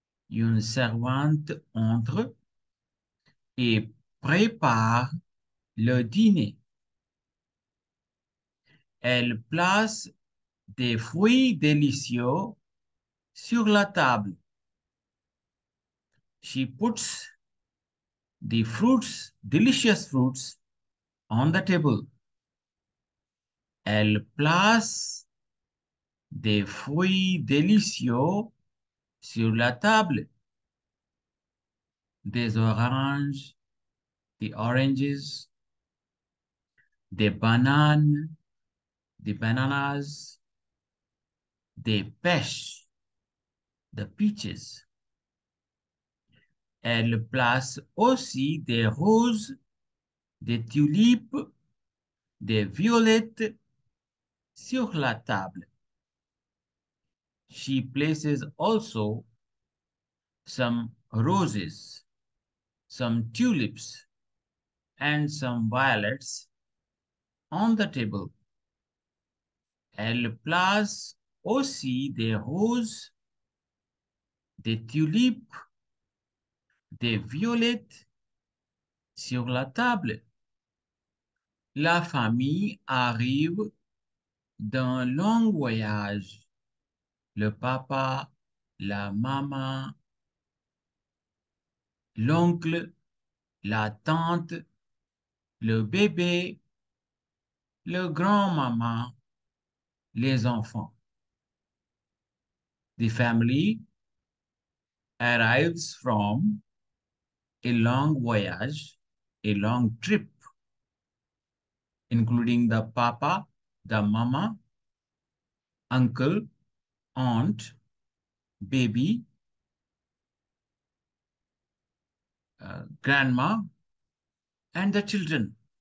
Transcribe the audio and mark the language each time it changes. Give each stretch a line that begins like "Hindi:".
French: Une servante entre et prépare le dîner. Elle place des fruits délicieux sur la table.
English: She puts the fruits, delicious fruits, on the table.
French: Elle place des fruits délicieux sur la table. Des oranges,
English: the oranges,
French: des bananes,
English: the bananas,
French: des pêches,
English: the peaches.
French: Elle place aussi des roses, des tulipes, des violettes sur la table.
English: She places also some roses, some tulips, and some violets on the table.
French: Elle place aussi des roses, des tulipes, des violettes sur la table. La famille arrive d'un long voyage. Le papa, la maman, l'oncle, la tante, le bébé, le grand-maman, les enfants.
English: The family arrives from a long voyage, a long trip, including the papa, the mama, uncle, aunt, baby, grandma, and the children.